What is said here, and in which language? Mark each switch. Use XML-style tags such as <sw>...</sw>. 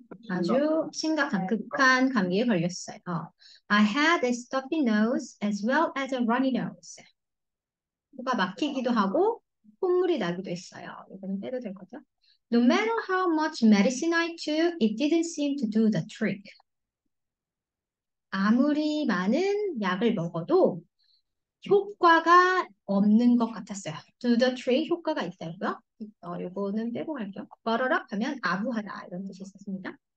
<ko>아주 심각한 극한 감기에 걸렸어요.</ko> <en>I had a stuffy nose as well as a runny nose.</en> <ko>코가 막히기도 하고 콧물이 나기도 했어요. 이거는 빼도 될 거죠?</ko> <en>No matter how much medicine I took, it didn't seem to do the trick.</en> <ko>아무리 많은 약을 먹어도 효과가 없는 것 같았어요.</ko> <en>Do the trick</en> <ko>효과가 있다고요? 이거는 빼고 갈게요. 버러락 하면 아부하다 이런 뜻이 있었습니다.</ko>